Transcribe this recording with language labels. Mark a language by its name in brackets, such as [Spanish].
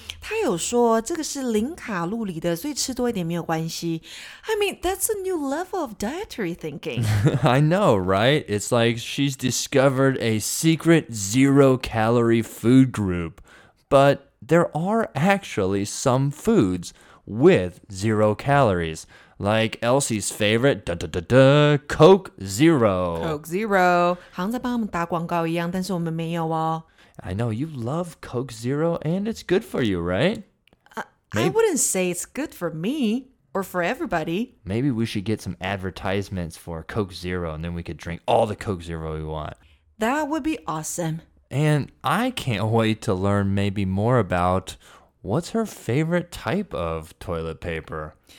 [Chinese] 他有说这个是零卡路里的，所以吃多一点没有关系。 [English] I mean, that's a new level of dietary thinking. I know, right? It's like she's discovered a secret zero-calorie food group. But there are actually some foods with zero calories. Like Elsie's favorite, Coke Zero. Coke Zero. [Chinese] 好像在帮我们打广告一样，但是我们没有哦。 [English] I know, you love Coke Zero, and it's good for you, right? I wouldn't say it's good for me, or for everybody. Maybe we should get some advertisements for Coke Zero, and then we could drink all the Coke Zero we want. That would be awesome. And I can't wait to learn maybe more about what's her favorite type of toilet paper.